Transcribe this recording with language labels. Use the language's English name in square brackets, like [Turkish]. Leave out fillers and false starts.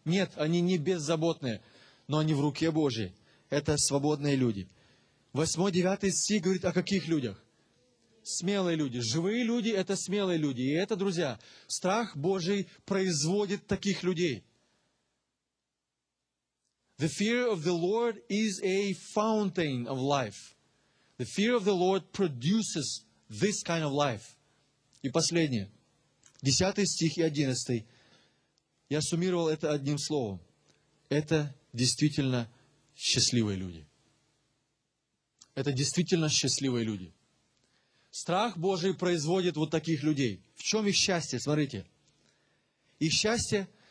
[Russian] Нет, они не беззаботные, но они в руке Божьей. Это свободные люди. 8-9 стих говорит о каких людях? Смелые люди. Живые люди – это смелые люди. И это, друзья, страх Божий производит таких людей. [English] The fear of the Lord is a fountain of life. The fear of the Lord produces this kind of life. [Russian] И последнее. 10 стих и 11. Я суммировал это одним словом. Это действительно счастливые люди. Это действительно счастливые люди. Страх Божий производит вот таких людей. В чем их счастье? Смотрите. Их счастье...